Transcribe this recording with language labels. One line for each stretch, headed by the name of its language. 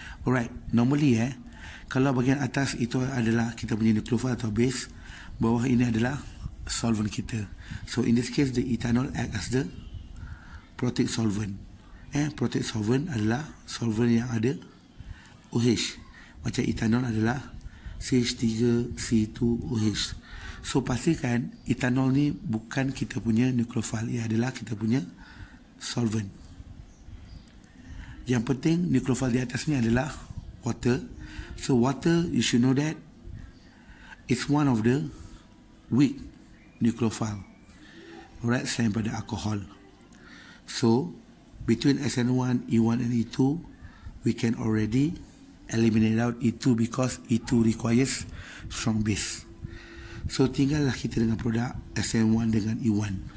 English: Alright, normally
Malay: kalau bahagian atas itu adalah kita punya nucleophile atau base, bawah ini adalah solvent kita.
English: So in this case, the ethanol act as the protic solvent.
Malay: Protic solvent adalah solvent yang ada OH. Macam ethanol adalah CH3C2OH. So pastikan ethanol ni bukan kita punya nucleophile, ia adalah kita punya solvent. Yang penting nucleophile di atas ni adalah water.
English: So water, you should know that it's one of the weak nucleophile. Alright,
Malay: selain pada alcohol.
English: So between SN1, E1 and E2, we can already eliminate out E2 because E2 requires strong base.
Malay: So tinggallah kita dengan produk SN1 dengan E1.